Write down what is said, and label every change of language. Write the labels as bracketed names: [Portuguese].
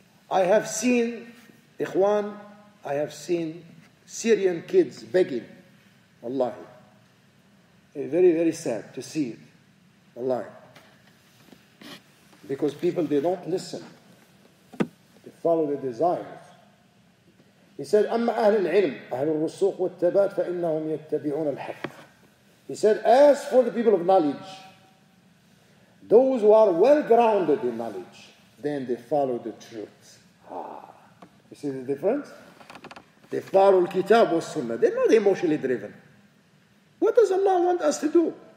[English] I have seen, Ikhwan, I have seen Syrian kids begging. Wallahi. Very, very sad to see it. Wallahi. Because people, they don't listen. They follow their desires. He said, [Arabic] أَمَّا أَهْلِ الْعِلْمِ أَهْلُ الرُّسُوقِ وَالتَّبَاتِ فَإِنَّهُمْ يَتَّبِعُونَ الْحَقِّ. [English] He said, as for the people of knowledge, those who are well-grounded in knowledge, then they follow the truth. Ah. You see the difference? They follow Kitab or Sunnah. They're not emotionally driven. What does Allah want us to do?